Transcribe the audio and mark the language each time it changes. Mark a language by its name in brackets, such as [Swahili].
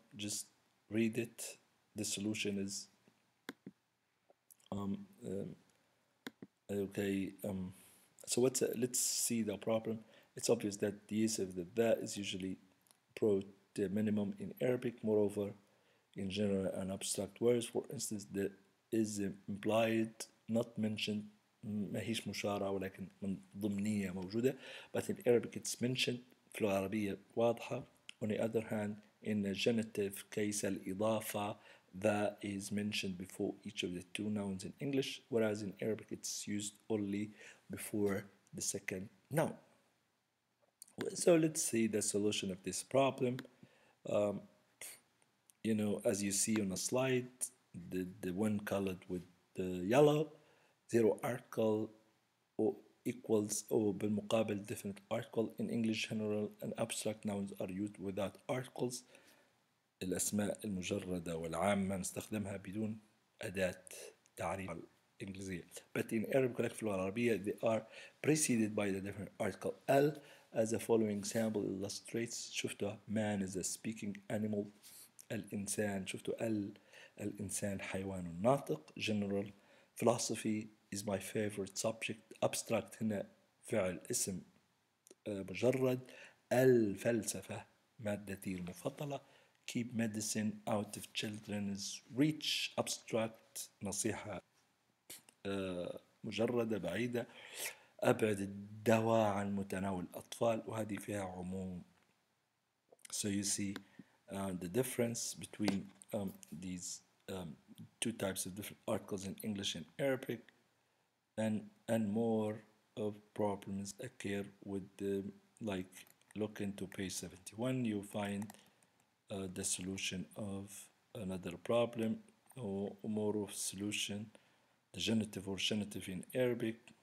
[English] Just read it. The solution is okay. So let's see the problem. It's obvious that the use of the is usually brought to minimum in Arabic. Moreover, in general and abstract words, for instance, the is implied, not mentioned. [Arabic] ماهيش مشارة ولكن من ضمنية موجودة. [English] But in Arabic, it's mentioned. [Arabic] في العربية واضحة. [English] On the other hand, in the genitive case, الإضافة, that is mentioned before each of the two nouns in English, whereas in Arabic it's used only before the second noun. So let's see the solution of this problem. You know, as you see on the slide, the one colored with the yellow, zero article equals or بالمقابل definite article. In English general and abstract nouns are used without articles. [Arabic] الأسماء المجردة والعامة نستخدمها بدون أداة تعريف الإنجليزية. [English] But in Arabic, like [Arabic] في اللغة العربية, [English] they are preceded by the definite article. Al, as the following example illustrates, شفتوا, man is a speaking animal. [Arabic] الإنسان, شفتوا, الإنسان حيوان ناطق. [English] General, philosophy is my favorite subject. [Arabic] Abstract, هنا فعل اسم مجرد. الفلسفة, مادتي المفضلة. [English] Keep medicine out of children's reach. [Arabic] Abstract, نصيحة مجردة بعيدة. أبعد الدواء عن متناول الأطفال، وهذه فيها عموم. [English] So you see the difference between these two types of different articles in English and Arabic, and more of problems occur with the, like, look into page 71, you find the solution of another problem, or more of solution, the genitive or genitive in Arabic.